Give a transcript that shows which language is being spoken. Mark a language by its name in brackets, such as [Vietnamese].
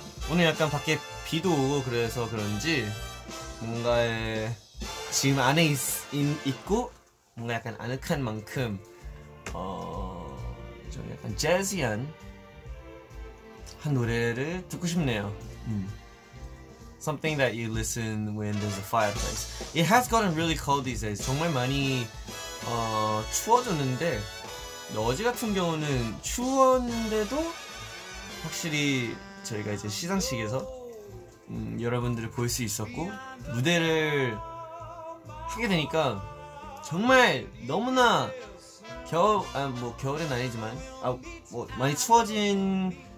[Korean] 오늘 약간 밖에 비도 오고 그래서 그런지, 뭔가에. 지금 안에 있고, 뭔가 약간 아늑한 만큼, 좀 약간 재즈한 한 노래를 듣고 싶네요. [English] Something that you listen when there's a fireplace. It has gotten really cold these days. [Korean] 정말 많이 추워졌는데 어제 같은 경우는 추웠는데도 확실히 저희가 이제 시상식에서 여러분들을 볼 수 있었고 무대를 하게 되니까 정말 너무나 겨울 겨울은 아니지만 많이 추워진.